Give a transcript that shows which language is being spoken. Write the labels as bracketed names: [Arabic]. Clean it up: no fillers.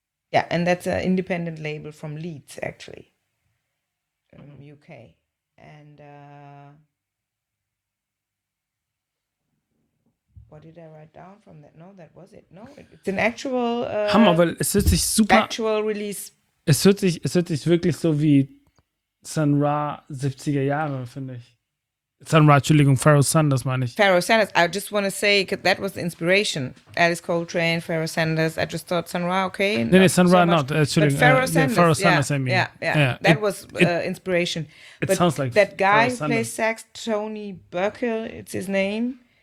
[English] Yeah, and that's an independent label from Leeds, actually, UK. And... what did I write down from that? No, that was it. No, it's an actual... [German] Hammer, weil es hört sich super... [English] Actual release. [German] Es hört sich wirklich so wie Sun Ra 70er Jahre, finde ich. Sun Ra, Entschuldigung, Pharoah Sanders meine ich. Pharoah Sanders. [English] I just want to say, that was the inspiration. Alice Coltrane, Pharoah Sanders. I just thought Sun Ra, okay. [German] Nee, Sun Ra so not. Entschuldigung. Pharoah Sanders. Pharoah Sanders, [English] yeah, I mean. Yeah. That was inspiration. It sounds like that guy who plays sax, Tony Burkill, it's his name.